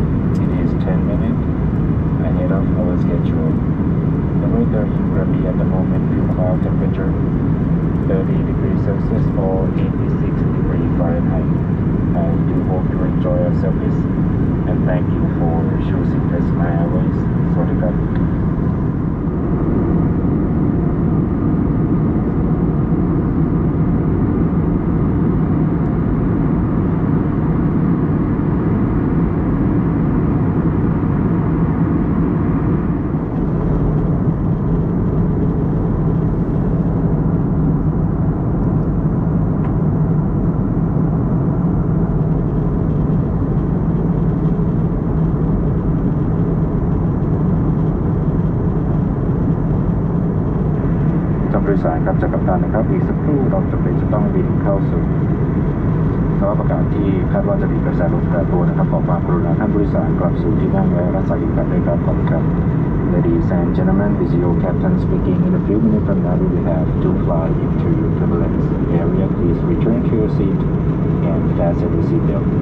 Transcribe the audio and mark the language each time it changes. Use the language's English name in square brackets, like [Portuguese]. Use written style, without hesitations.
[English] It is 10 minutes ahead of our schedule. The weather in Krabi at the moment, few cloud temperature, 30 degrees Celsius or 86 degrees Fahrenheit. I do hope you enjoy our service and thank you for choosing Thai Smile Airways. [Thai] Sawasdee ครับสายครับจากกัปตันนะครับอีกสักครู่เราจะเป็นจะต้องบินเข้าสู่ ภาวะอากาศที่คาดว่าจะมีกระแสลมแปรปรวนนะครับขอความกรุณาท่านผู้โดยสารกลับสู่ที่นั่งและรักษาเข็มขัดด้วยครับขอบคุณครับ [English] Ladies and gentlemen, this is your captain speaking. In a few minutes from now, we have to fly into your turbulence area. Please return to your seat and fasten your seatbelt.